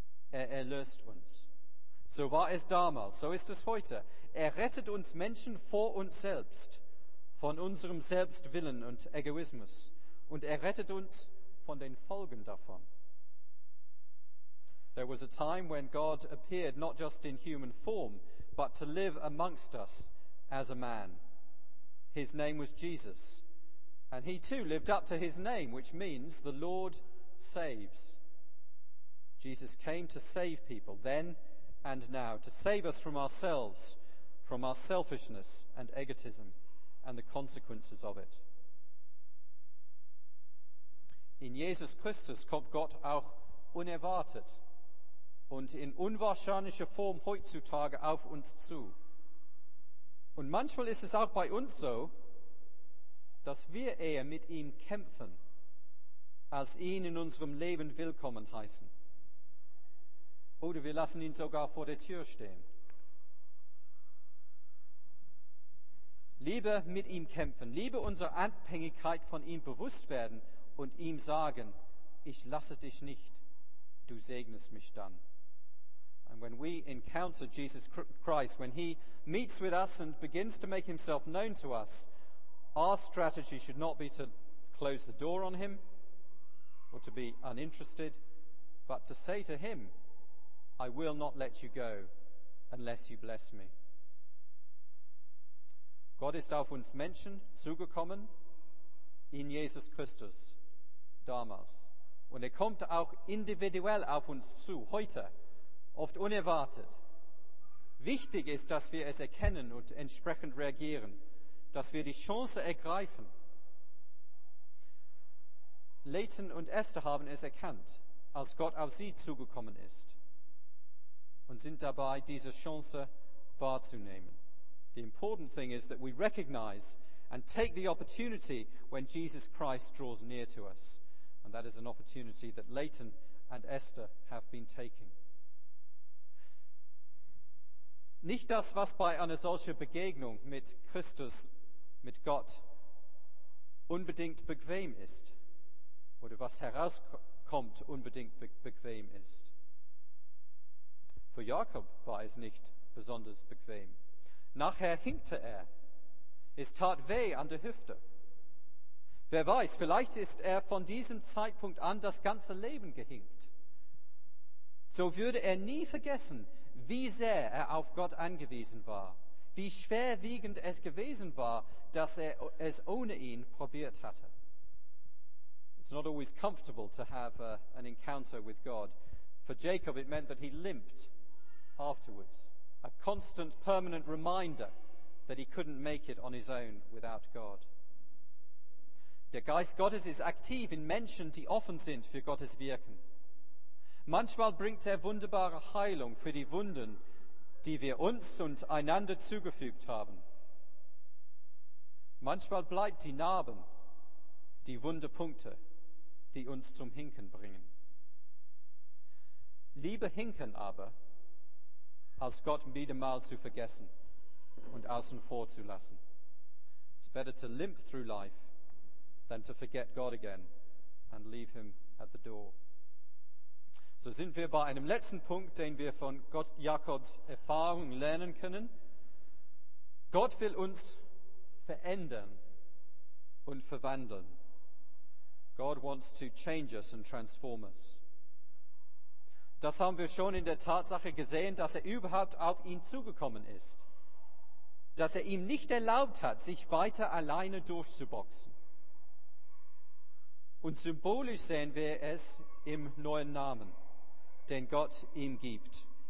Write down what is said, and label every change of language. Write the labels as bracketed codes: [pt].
[de] Er erlöst uns. So war es damals, so ist es heute. Er rettet uns Menschen vor uns selbst, von unserem Selbstwillen und Egoismus. Und er rettet uns von den Folgen davon. [en] There was a time when God appeared not just in human form, but to live amongst us. As a man. His name was Jesus. And he too lived up to his name, which means the Lord saves. Jesus came to save people then and now, to save us from ourselves, from our selfishness and egotism and the consequences of it. [de] In Jesus Christus kommt Gott auch unerwartet und in unwahrscheinlicher Form heutzutage auf uns zu. Und manchmal ist es auch bei uns so, dass wir eher mit ihm kämpfen, als ihn in unserem Leben willkommen heißen. Oder wir lassen ihn sogar vor der Tür stehen. Lieber mit ihm kämpfen, lieber unsere Abhängigkeit von ihm bewusst werden und ihm sagen, ich lasse dich nicht, du segnest mich dann. [en] And when we encounter Jesus Christ, when he meets with us and begins to make himself known to us, our strategy should not be to close the door on him or to be uninterested, but to say to him, I will not let you go unless you bless me. [de] Gott ist auf uns Menschen zugekommen in Jesus Christus damals. Und er kommt auch individuell auf uns zu, heute. Oft unerwartet. Wichtig ist, dass wir es erkennen und entsprechend reagieren, dass wir die Chance ergreifen. Leighton und Esther haben es erkannt, als Gott auf sie zugekommen ist und sind dabei, diese Chance wahrzunehmen. [en] The important thing is that we recognize and take the opportunity when Jesus Christ draws near to us. And that is an opportunity that Leighton and Esther have been taking. [de] Nicht das, was bei einer solchen Begegnung mit Christus, mit Gott, unbedingt bequem ist. Oder was herauskommt, unbedingt bequem ist. Für Jakob war es nicht besonders bequem. Nachher hinkte er. Es tat weh an der Hüfte. Wer weiß, vielleicht ist er von diesem Zeitpunkt an das ganze Leben gehinkt. So würde er nie vergessen, wie sehr er auf Gott angewiesen war, wie schwerwiegend es gewesen war, dass er es ohne ihn probiert hatte. [en] It's not always comfortable to have an encounter with God. For Jacob, it meant that he limped afterwards, a constant, permanent reminder that he couldn't make it on his own without God. [de] Der Geist Gottes ist aktiv in Menschen, die offen sind für Gottes Wirken. Manchmal bringt wunderbare Heilung für die Wunden, die wir uns und einander zugefügt haben. Manchmal bleibt die Narben, die Wundepunkte, die uns zum Hinken bringen. Lieber hinken aber, als Gott wieder mal zu vergessen und außen vor zu lassen. [en] It's better to limp through life than to forget God again and leave him at the door. [de] So sind wir bei einem letzten Punkt, den wir von Gott Jakobs Erfahrung lernen können. Gott will uns verändern und verwandeln. [en] God wants to change us and transform us. [de] Das haben wir schon in der Tatsache gesehen, dass überhaupt auf ihn zugekommen ist. Dass ihm nicht erlaubt hat, sich weiter alleine durchzuboxen. Und symbolisch sehen wir es im neuen Namen, den Gott ihm gibt.